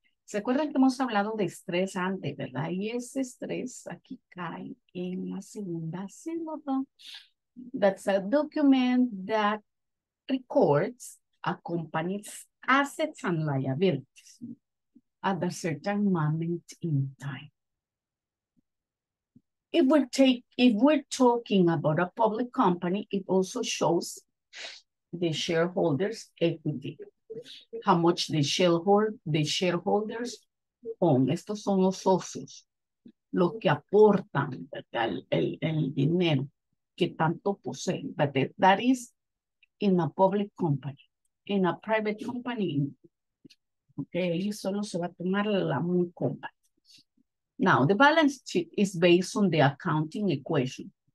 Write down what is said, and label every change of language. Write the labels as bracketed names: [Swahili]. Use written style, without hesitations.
[Spanish] ¿Se acuerdan que hemos hablado de estrés antes, verdad? Y ese estrés aquí cae en la segunda sílaba. [English] That's a document that records a company's assets and liabilities at a certain moment in time. If we're talking about a public company, it also shows the shareholders' equity, how much the shareholders own. [Spanish] Estos son los socios, los que aportan el dinero que tanto poseen. [English] But that is in a public company. In a private company, okay, [Spanish] ahí solo se va a tomar la muy compa. [English] Now, the balance sheet is based on the accounting equation.